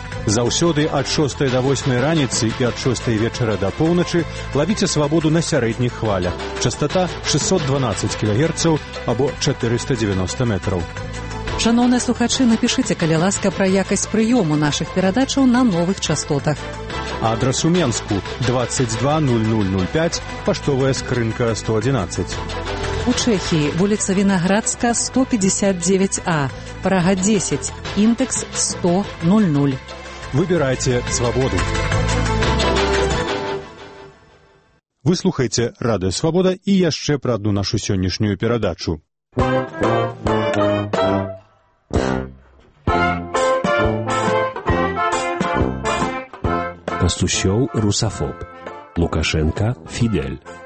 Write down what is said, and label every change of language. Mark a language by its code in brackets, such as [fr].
[be] Заўсёды ад 6 да 8 раніцы і ад 6 вечара да поўначы лавіце свабоду на сярэдніх хвалях. Частата 612 кілагерцаў або 490 метраў. Шаноўныя слухачы, напішыце, калі ласка, пра якасць прыёму нашых перадачаў на новых частотах. Адрас у Менску 22005, паштовая скрынка 111. У Чэхіі вуліца Вінаградска 159А, Прага 10, індэкс 100.00. [ru] Выбирайте свободу. Вы слухаете «Радио Свобода» и еще про одну нашу сегодняшнюю передачу. Пастушёў русофоб. Лукашенко – Фидель.